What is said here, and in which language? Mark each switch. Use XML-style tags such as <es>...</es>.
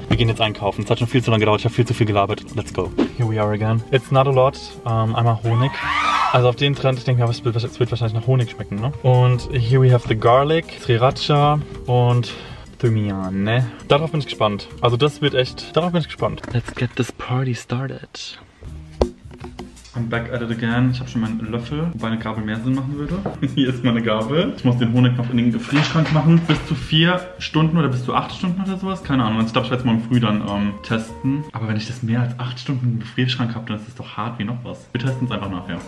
<de>Wir gehen jetzt einkaufen. Es hat schon viel zu lange gedauert. Ich habe viel zu viel gelabert.</de> <en>Let's go. Here we are again. It's not a lot.</en> <de>Einmal Honig. Also auf den Trend, ich denke mir, es wird wahrscheinlich nach Honig schmecken, ne? Und</de> <en>here we have the garlic,</en> <de>Sriracha und Thymian, ne? Darauf bin ich gespannt. Also das wird echt, darauf bin ich gespannt.</de> <en>Let's get this party started. I'm back at it again.</en> <de>Ich habe schon meinen Löffel, wobei eine Gabel mehr Sinn machen würde. Hier ist meine Gabel. Ich muss den Honig noch in den Gefrierschrank machen. Bis zu 4 Stunden oder bis zu 8 Stunden oder sowas. Keine Ahnung. Ich glaube, ich werde es morgen früh dann testen. Aber wenn ich das mehr als 8 Stunden im Gefrierschrank habe, dann ist das doch hart wie noch was. Wir testen es einfach nachher.</de>